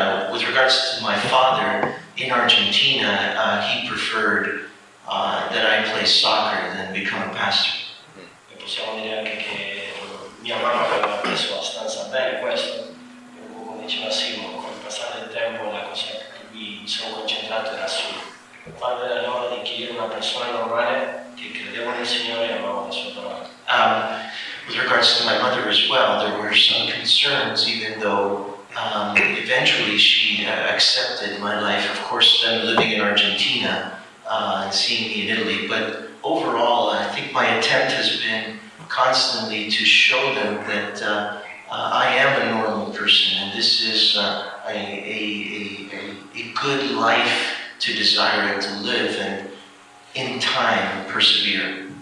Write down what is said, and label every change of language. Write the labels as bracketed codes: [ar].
[en] With regards to my father in Argentina, he preferred that I play soccer than become a pastor. [it] Possiamo dire anche che mia mamma aveva preso abbastanza bene questo, come diceva Simo, col passare del tempo la cosa che mi sono concentrato era su far vedere loro di chi era una persona normale che credeva nel Signore e amava la sua parola. [en] With regards to my mother as well, there were some concerns, even though eventually she accepted my life, of course, then living in Argentina and seeing me in Italy. But overall, I think my attempt has been constantly to show them that I am a normal person, and this is a good life to desire and to live, and in time, persevere.